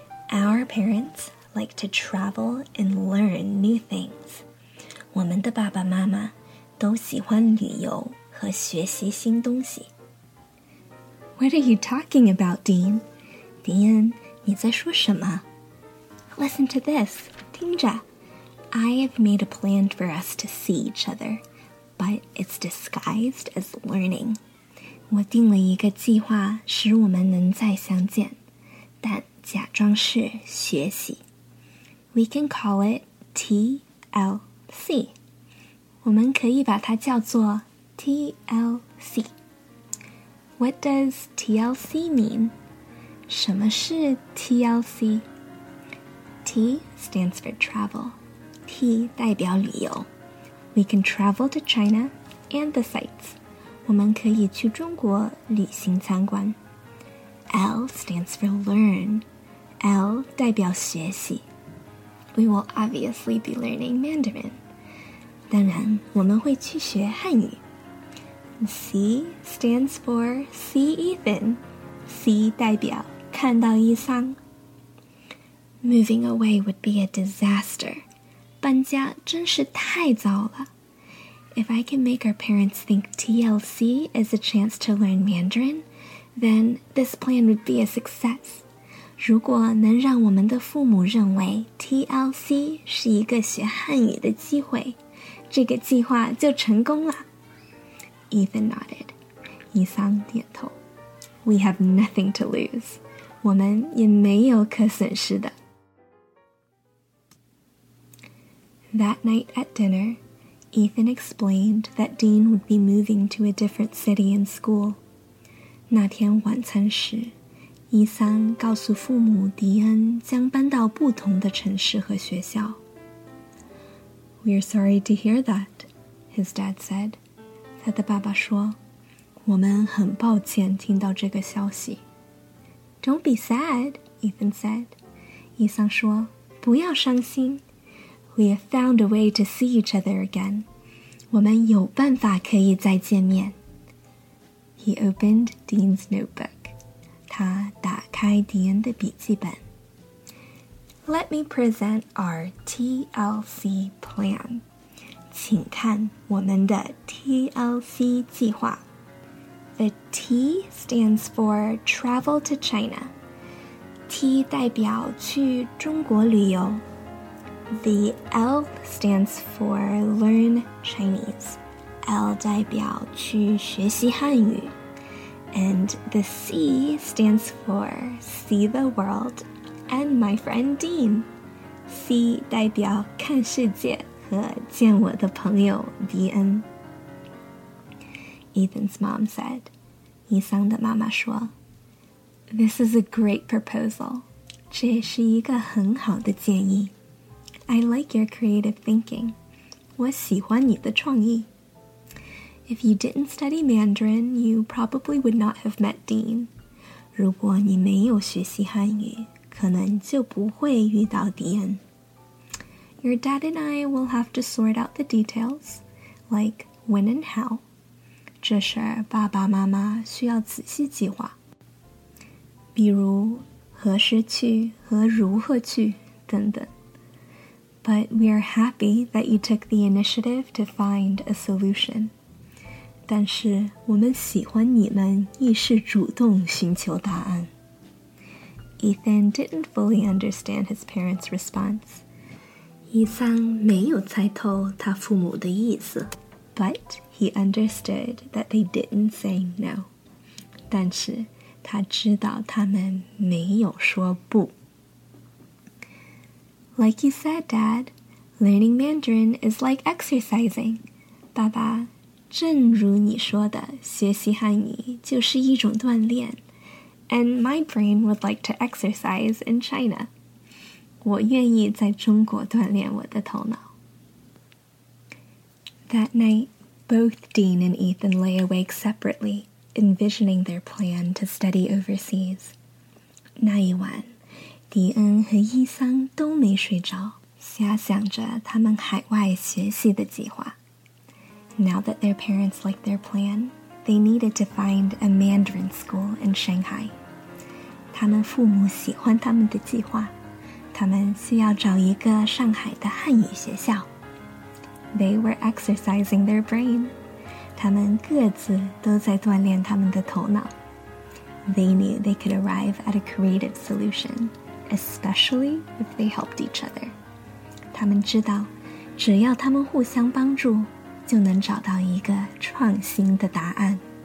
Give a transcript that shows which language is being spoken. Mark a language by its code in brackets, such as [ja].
[en] Our parents like to travel and learn new things. [zh] 我们的爸爸妈妈都喜欢旅游和学习新东西。 [en] What are you talking about, Dean? [zh] 迪恩，你在说什么？ [en] Listen to this, [zh] 听着。 [en] I have made a plan for us to see each other, but it's disguised as learning. [zh] 我定了一个计划使我们能再相见，但假装是学习。 [en] We can call it TLC. [zh] 我们可以把它叫做 TLC. [en] What does TLC mean? [zh] 什么是 TLC? [en] T stands for travel. [zh] T 代表旅游。 [en] We can travel to China and the sites. [zh] 我们可以去中国旅行参观。 [en] L stands for learn. [zh] L 代表学习。 [en] We will obviously be learning Mandarin. [zh] 当然，我们会去学汉语。 [en] C stands for see Ethan. [zh] C 代表看到伊桑。 [en] Moving away would be a disaster. [zh] 搬家真是太糟了。 [en] If I can make our parents think TLC is a chance to learn Mandarin, then this plan would be a success. [zh] 如果能让我们的父母认为 TLC 是一个学汉语的机会，这个计划就成功了。 [en] Ethan nodded. [zh] 伊桑点头。 [en] We have nothing to lose. [zh] 我们也没有可损失的。 [en] That night at dinner,Ethan explained that Dean would be moving to a different city and school. [zh] 那天晚餐时，伊桑告诉父母迪恩将搬到不同的城市和学校。 [en] We are sorry to hear that, his dad said. [zh] 他的爸爸说，我们很抱歉听到这个消息。 [en] Don't be sad, Ethan said. [zh] 伊桑说，不要伤心。 [en] We have found a way to see each other again. [zh] 我们有办法可以再见面。 [en] He opened Dean's notebook. [zh] 他打开迪恩的笔记本。 [en] Let me present our TLC plan. [zh] 请看我们的 TLC 计划。 [en] The T stands for travel to China. [zh] T 代表去中国旅游。 [en] The L stands for learn Chinese. [zh] L 代表去学习汉语。 [en] And the C stands for see the world and my friend Dean. [zh] C 代表看世界和见我的朋友迪恩。 [en] Ethan's mom said, [zh] 伊桑的妈妈说, [en] This is a great proposal. [zh] 这是一个很好的建议。 [en] I like your creative thinking. [zh] 我喜欢你的创意。 [en] If you didn't study Mandarin, you probably would not have met Dean. [zh] 如果你没有学习汉语，可能就不会遇到迪恩。 [en] Your dad and I will have to sort out the details, like when and how. [zh] 这事儿爸爸妈妈需要仔细计划。比如何时去和如何去等等。 [en] But we are happy that you took the initiative to find a solution. [zh] 但是我们喜欢你们一是主动寻求答案。 [en] Ethan didn't fully understand his parents' response. [zh] Ethan 没有猜透他父母的意思。 [en] But he understood that they didn't say no. [zh] 但是他知道他们没有说不。 [en] Like you said, Dad, learning Mandarin is like exercising. [zh] 爸爸，正如你说的，学习汉语就是一种锻炼。 [en] And my brain would like to exercise in China. [zh] 我愿意在中国锻炼我的头脑。 [en] That night, both Dean and Ethan lay awake separately, envisioning their plan to study overseas. [zh] 那一晚，迪恩和伊桑都没睡着，遐想着他们海外学习的计划。 [en] Now that their parents liked their plan, they needed to find a Mandarin school in Shanghai. [zh] 他们父母喜欢他们的计划，他们需要找一个上海的汉语学校。 [en] They were exercising their brain. [zh] 他们各自都在锻炼他们的头脑。 [en] They knew they could arrive at a creative solution, especially if they helped each other. [zh] 他们知道，只要他们互相帮助，就能找到一个创新的答案。